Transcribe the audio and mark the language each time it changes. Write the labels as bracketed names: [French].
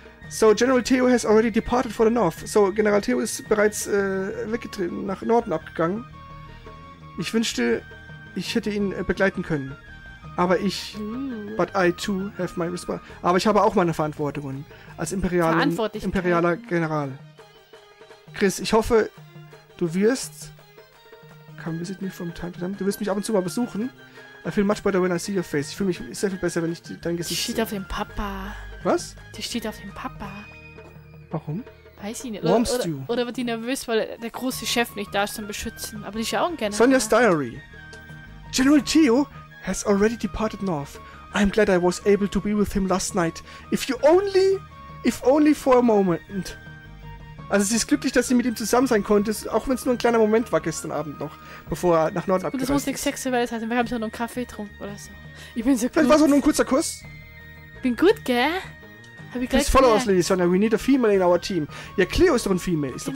[English] So, General Theo has already departed for the north. [German] So, General Theo ist bereits weggetreten, nach Norden abgegangen. Ich wünschte, ich hätte ihn begleiten können. Aber ich... Ooh. [English] But I too have my responsibility. [German] Aber ich habe auch meine Verantwortungen. Als imperialer General. Chris, ich hoffe, du wirst. [English] Come visit me from time to time. [German] Du wirst mich ab und zu mal besuchen. [English] I feel much better when I see your face. [German] Ich fühle mich sehr viel besser, wenn ich dein Gesicht sehe. Die steht auf dem Papa. Was? Die steht auf dem Papa. Warum? Weiß ich nicht. Warmst du? Oder wird die nervös, weil der große Chef nicht da ist zum Beschützen? Aber die schauen gerne. [English] Sonja's Diary. General Theo has already departed north. I'm glad I was able to be with him last night. If only for a moment. [German] Also sie ist glücklich, dass sie mit ihm zusammen sein konnte, auch wenn es nur ein kleiner Moment war gestern Abend noch, bevor er nach Norden abgereist ist. Das muss nichts Sexuelles sein, wir haben schon nur einen Kaffee getrunken oder so. Ich bin so gut. Das war so nur ein kurzer Kuss. Bin gut, gell? Hab ich gleich [English] follow us, Lady Sonja, we need a female in our team. [German] Ja, Cleo ist doch ein Female.